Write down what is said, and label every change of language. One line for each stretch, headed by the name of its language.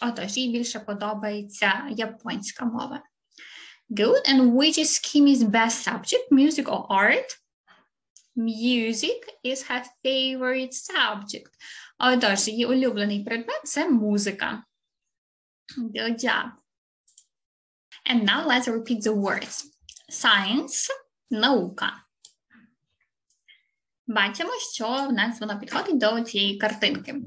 Ukrainian: Отож, їй більше подобається японська мова.
English: Good, and which is Кімі's best subject, music or art? Music is her favorite subject.
Ukrainian: Отож, її улюблений предмет – це музика.
English: Good job. And now let's repeat the words. Science –
Ukrainian: наука. Бачимо, що в нас воно підходить до цієї картинки.